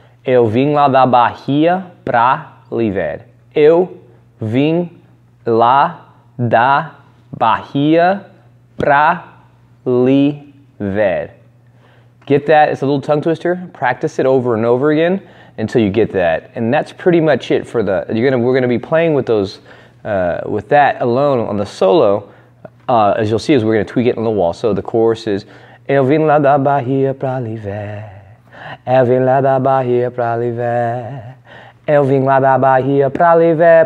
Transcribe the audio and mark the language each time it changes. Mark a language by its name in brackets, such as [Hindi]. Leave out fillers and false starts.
[Portuguese] Eu vim lá da Bahia pra Lhe ver. Eu vim lá da Bahia pra Lhe ver. [English] Get that, it's a little tongue twister. Practice it over and over again until you get that. And that's pretty much it for we're gonna be playing with those, with that alone on the solo. As you'll see, as we're going to tweak it on the wall. So the chorus is [Portuguese] Eu vim lá da Bahia pra Lhe ver. Eu vim lá da Bahia pra Lhe ver. Eu vim lá da Bahia pra Lhe ver.